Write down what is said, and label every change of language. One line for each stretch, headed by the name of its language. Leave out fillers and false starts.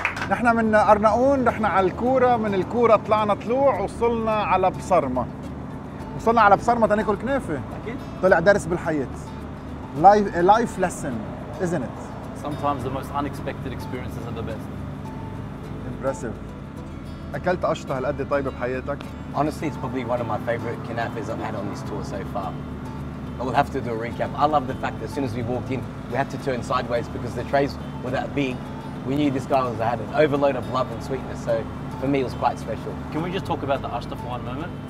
Arabic: نحن من أرناؤون رحنا على الكورة، من الكورة طلعنا طلوع وصلنا على بصرمة. وصلنا على بصرمة تناكل كنافة. أكيد. طلع درس بالحياة.
English: Life, a life lesson, isn't it? Sometimes the most unexpected experiences are the best. Impressive.
Arabic: أكلت قشطة هالقد طيبة بحياتك؟
English: Honestly, it's probably one of my favorite kanafes I've had on this tour so far. But we'll have to do a recap. I love the fact that as soon as we walked in, we had to turn sideways because the trays were that big. We knew this guy was had an overload of love and sweetness, so for me it was quite special. Can we just talk about the ashta for one moment?